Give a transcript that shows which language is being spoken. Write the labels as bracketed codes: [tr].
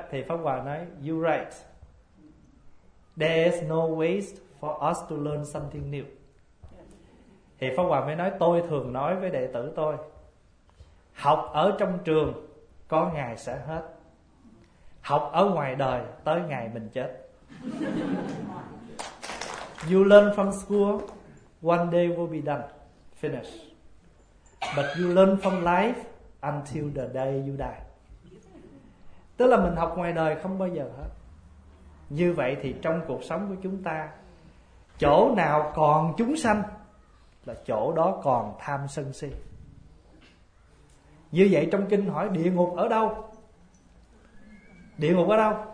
[vi] Thì Pháp Hòa nói [en] you're right, there is no waste for us to learn something new. [vi] Thì Pháp Hòa mới nói tôi thường nói với đệ tử tôi, học ở trong trường có ngày sẽ hết, học ở ngoài đời tới ngày mình chết. [en] You learn from school, one day will be done, finish. But you learn from life until the day you die. [vi] Tức là mình học ngoài đời không bao giờ hết. Như vậy thì trong cuộc sống của chúng ta, chỗ nào còn chúng sanh là chỗ đó còn tham sân si. Như vậy trong kinh hỏi địa ngục ở đâu? Địa ngục ở đâu?